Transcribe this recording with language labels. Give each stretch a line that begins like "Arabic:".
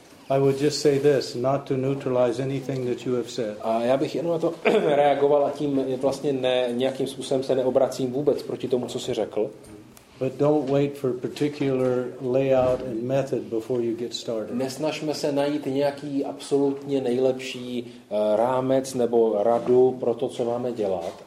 English: I would just say this, not to neutralize anything that you have said.
Czech: A já bych jenom na to reagoval a tím vlastně ne, nějakým způsobem se neobracím vůbec proti tomu, co jsi řekl.
English: But don't wait for particular layout and method before you get started.
Czech: Nesnažme se najít nějaký absolutně nejlepší rámec nebo radu pro to, co máme dělat.